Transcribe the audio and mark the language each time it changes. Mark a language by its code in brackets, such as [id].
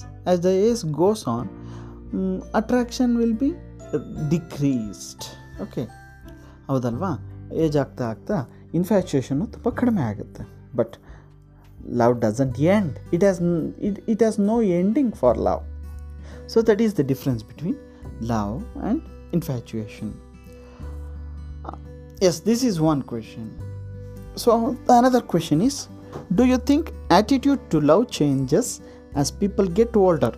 [en] As the age goes on, attraction will be decreased. [kn] Okay. ಹೌದಲ್ವ? Age ಆಗ್ತಾ ಆಗ್ತಾ infatuation ತುಂಬ ಕಡಿಮೆ ಆಗುತ್ತೆ. [en] But love doesn't end. It has no ending for love. So that is the difference between love and infatuation. Yes, this is one question. So another question is, Do you think attitude to love changes as people get older?